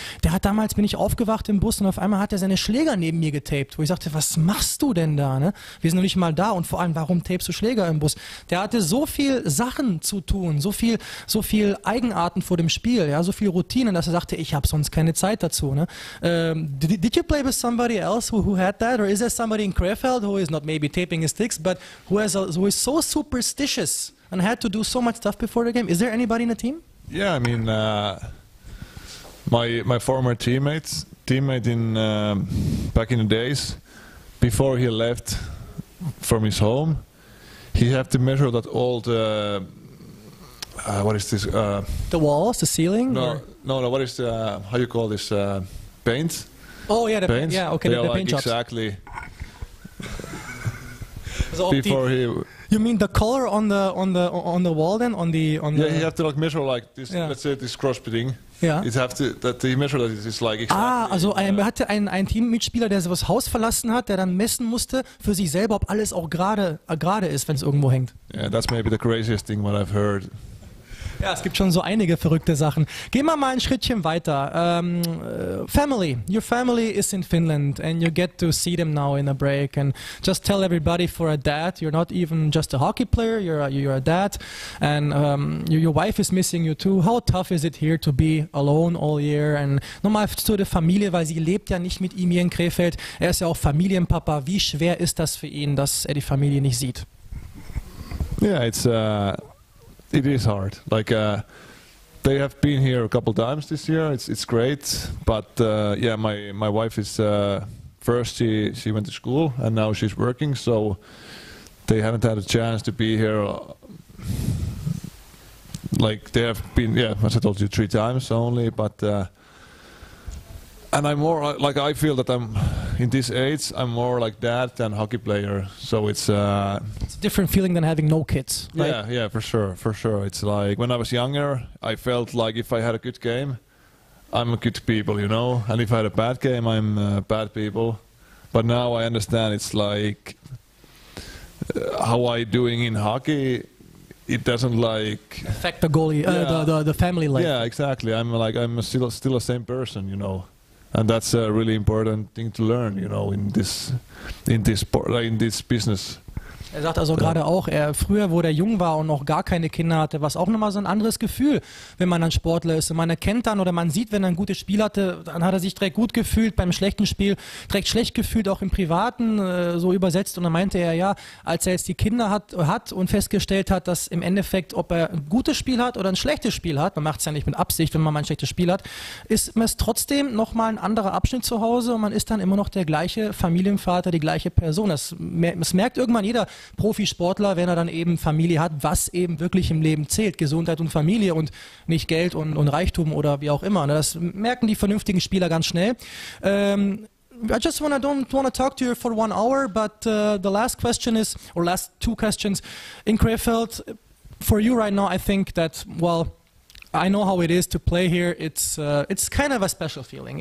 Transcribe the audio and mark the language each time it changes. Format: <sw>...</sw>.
<de>Der hat damals, bin ich aufgewacht im Bus, und auf einmal hat er seine Schläger neben mir getaped, wo ich sagte, was machst du denn da? Ne? Wir sind noch nicht mal da, und vor allem, warum tapest du Schläger im Bus? Der hatte so viel Sachen zu tun, so viel Eigenarten vor dem Spiel, ja, so viel Routine, dass er sagte, ich habe sonst keine Zeit dazu. Ne?</de> <en>Did you play with somebody else who had that, or is there somebody in Krefeld who is not maybe taping his sticks, but who is so superstitious and had to do so much stuff before the game? Is there anybody in the team? Yeah, I mean, my former teammate in back in the days, before he left from his home, he had to measure that old what is this? The walls, the ceiling? No. What is the how you call this paint? Oh yeah, the paint jobs. Exactly. Before he, you mean the color on the wall then on the yeah, he have to like measure like this, yeah. Let's say this crossbeading. Yeah. It have to that the measure that is like exactly.</en> <de>Ah, also er hatte einen Teammitspieler, der das Haus verlassen hat, der dann messen musste für sich selber, ob alles auch gerade ist, wenn es irgendwo hängt.</de> <en>Yeah, that's maybe the craziest thing what I've heard.</en> <de>Ja, es gibt schon so einige verrückte Sachen. Gehen wir mal ein Schrittchen weiter.</de> <en>Family, your family is in Finland and you get to see them now in a break, and just tell everybody for a dad, you're not even just a hockey player, you're a dad, and your wife is missing you too. How tough is it here to be alone all year?</en> <de>And nochmal zu der Familie, weil sie lebt ja nicht mit ihm hier in Krefeld. Er ist ja auch Familienpapa. Wie schwer ist das für ihn, dass er die Familie nicht sieht?</de> <en>Ja, yeah, it is hard. Like they have been here a couple times this year. It's great, but yeah, my wife is first. She went to school and now she's working. So they haven't had a chance to be here. Like they have been, yeah, as I told you, three times only. But and I'm more like, I feel that I'm in this age, I'm more like dad than hockey player. So it's a different feeling than having no kids, right? Yeah, for sure. It's like when I was younger, I felt like if I had a good game, I'm a good people, you know, and if I had a bad game, I'm bad people. But now I understand it's like how I doing in hockey, it doesn't like affect the goalie, yeah. the family life. Yeah, exactly. I'm like, I'm still the same person, you know. And that's a really important thing to learn, you know, in this business.</en> <de>Er sagt also gerade auch, früher, wo der jung war und noch gar keine Kinder hatte, war es auch nochmal so ein anderes Gefühl, wenn man ein Sportler ist. Und man erkennt dann oder man sieht, wenn er ein gutes Spiel hatte, dann hat er sich direkt gut gefühlt beim schlechten Spiel, direkt schlecht gefühlt, auch im Privaten, so übersetzt. Und dann meinte er, ja, als er jetzt die Kinder hat und festgestellt hat, dass im Endeffekt, ob er ein gutes Spiel hat oder ein schlechtes Spiel hat, man macht es ja nicht mit Absicht, wenn man mal ein schlechtes Spiel hat, ist es trotzdem nochmal ein anderer Abschnitt zu Hause und man ist dann immer noch der gleiche Familienvater, die gleiche Person. Das merkt irgendwann jeder Profisportler, wenn er dann eben Familie hat, was eben wirklich im Leben zählt, Gesundheit und Familie und nicht Geld und Reichtum oder wie auch immer. Das merken die vernünftigen Spieler ganz schnell.</de> <en>I just don't want to talk to you for one hour, but the last question is, or last two questions, in Krefeld, for you right now, I think that, well, I know how it is to play here, it's kind of a special feeling.</en>